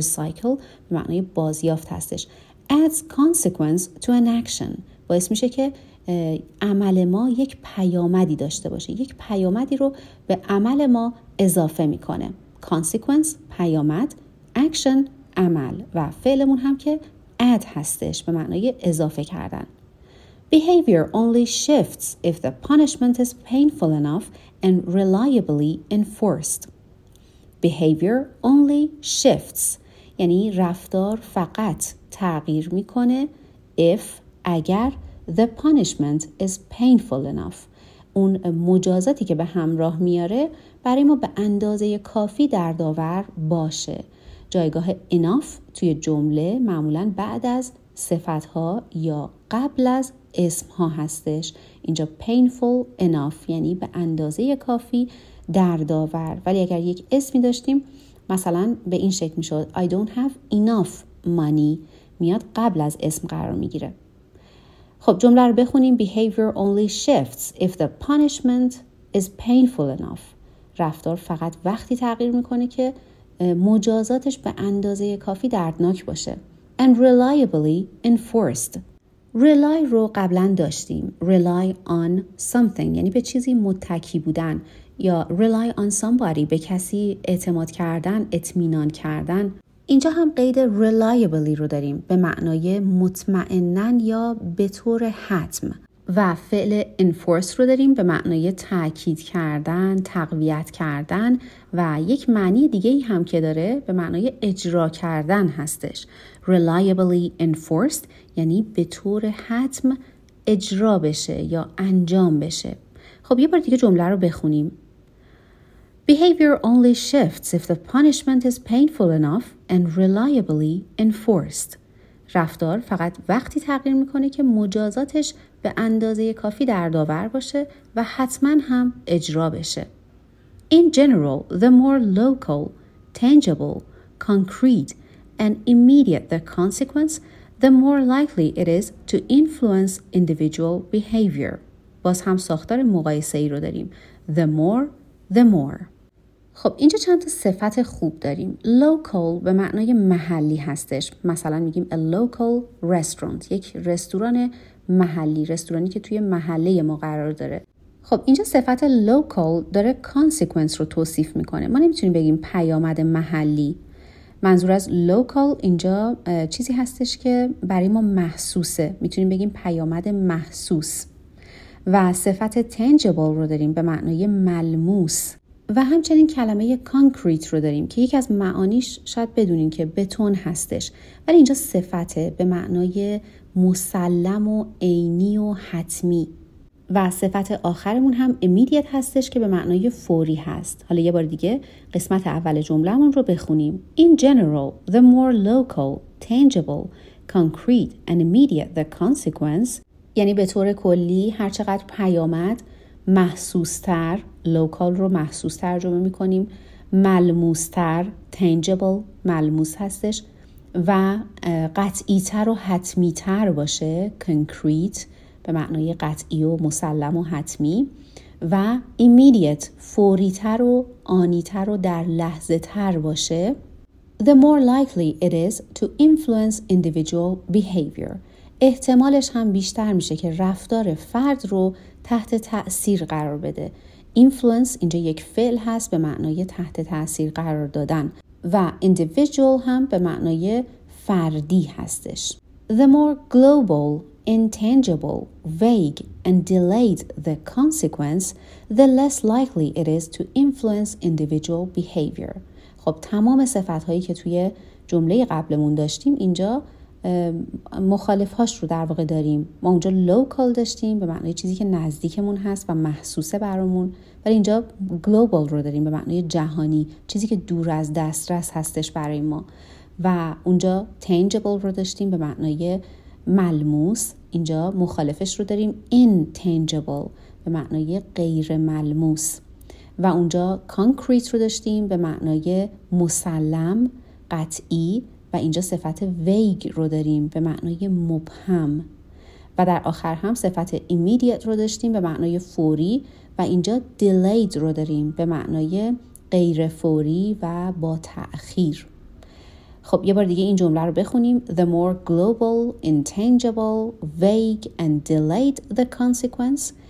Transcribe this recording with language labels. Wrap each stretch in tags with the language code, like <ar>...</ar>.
<fa>Recycle به معنای بازیافت هستش.</fa> <en>Adds consequence to an action,</en> <fa>باعث میشه که عمل ما یک پیامدی داشته باشه, یک پیامدی رو به عمل ما اضافه میکنه. consequence پیامد, action عمل, و فعلمون هم که add هستش به معنای اضافه کردن.</fa> <en>behavior only shifts if the punishment is painful enough and reliably enforced. behavior only shifts</en> <fa>یعنی رفتار فقط تغییر میکنه</fa> <en>if</en> <fa>اگر</fa> <en>the punishment is painful enough.</en> <fa>اون مجازاتی که به همراه میاره برای ما به اندازه کافی دردآور باشه. جایگاه enough توی جمله معمولاً بعد از صفتها یا قبل از اسمها هستش. اینجا painful enough یعنی به اندازه کافی دردآور. ولی اگر یک اسمی داشتیم مثلا به این شکل میشد.</fa> <en>I don't have enough money</en> <fa>میاد قبل از اسم قرار میگیره. خب جمله رو بخونیم.</fa> <en>behavior only shifts if the punishment is painful enough.</en> <fa>رفتار فقط وقتی تغییر میکنه که مجازاتش به اندازه کافی دردناک باشه.</fa> <en>and reliably enforced. rely</en> <fa>رو قبلا داشتیم. rely on something یعنی به چیزی متکی بودن, یا rely on somebody به کسی اعتماد کردن, اطمینان کردن. اینجا هم قید reliably رو داریم به معنای مطمئنن یا به طور حتم و فعل enforce رو داریم به معنای تأکید کردن، تقویت کردن و یک معنی دیگه ای هم که داره به معنای اجرا کردن هستش. reliably enforced یعنی به طور حتم اجرا بشه یا انجام بشه. خب یه بار دیگه جمله رو بخونیم.</fa> <en>Behavior only shifts if the punishment is painful enough and reliably enforced.</en> <fa>رفتار فقط وقتی تغییر میکنه که مجازاتش به اندازه کافی دردآور باشه و حتما هم اجرا بشه.</fa> <en>In general, the more local, tangible, concrete, and immediate the consequence, the more likely it is to influence individual behavior.</en> <fa>باز هم ساختار مقایسه ای رو داریم.</fa> <en>The more, the more.</en> <fa>خب اینجا چند تا صفت خوب داریم. Local به معنای محلی هستش. مثلا میگیم</fa> <en>a local restaurant.</en> <fa>یک رستوران محلی. رستورانی که توی محله ما قرار داره. خب اینجا صفت local داره consequence رو توصیف میکنه. ما نمیتونیم بگیم پیامد محلی. منظور از local اینجا چیزی هستش که برای ما محسوسه. میتونیم بگیم پیامد محسوس. و صفت tangible رو داریم به معنای ملموس. و همچنین کلمه کانکریت رو داریم که یکی از معانیش شاید بدونین که بتون هستش، ولی اینجا صفته به معنای مسلم و عینی و حتمی. و صفت آخرمون هم امیدیت هستش که به معنای فوری هست. حالا یه بار دیگه قسمت اول جملهمون رو بخونیم.</fa> <en>In general, the more local, tangible, concrete and immediate the consequence.</en> <fa>یعنی به طور کلی هرچقدر پیامد محسوس‌تر، لوکال رو محسوس ترجمه می‌کنیم، ملموس‌تر، تنجبل، ملموس هستش و قطعی‌تر و حتمی‌تر باشه، کنکریت به معنای قطعی و مسلم و حتمی و ایمیدیت فوری‌تر و آنی‌تر و در لحظه‌تر باشه،</fa> <en>the more likely it is to influence individual behavior.</en> <fa>احتمالش هم بیشتر میشه که رفتار فرد رو تحت تأثیر قرار بده. influence اینجا یک فعل هست به معنای تحت تأثیر قرار دادن و individual هم به معنای فردی هستش.</fa> <en>The more global, intangible, vague and delayed the consequence, the less likely it is to influence individual behavior.</en> <fa>خب تمام صفتهایی که توی جمله قبلمون داشتیم اینجا مخالفهاش رو در واقع داریم. ما اونجا local داشتیم به معنی چیزی که نزدیکمون هست و محسوسه برامون، ولی اینجا global رو داریم به معنی جهانی، چیزی که دور از دسترس هستش برای ما. و اونجا tangible رو داشتیم به معنی ملموس، اینجا مخالفش رو داریم intangible به معنی غیر ملموس. و اونجا concrete رو داشتیم به معنی مسلم، قطعی، و اینجا صفت ویگ رو داریم به معنای مبهم. و در آخر هم صفت ایمیدیت رو داشتیم به معنای فوری و اینجا دیلید رو داریم به معنای غیر فوری و با تأخیر. خب یه بار دیگه این جمله رو بخونیم.</fa> <en>The more global, intangible, vague and delayed the consequence.</en>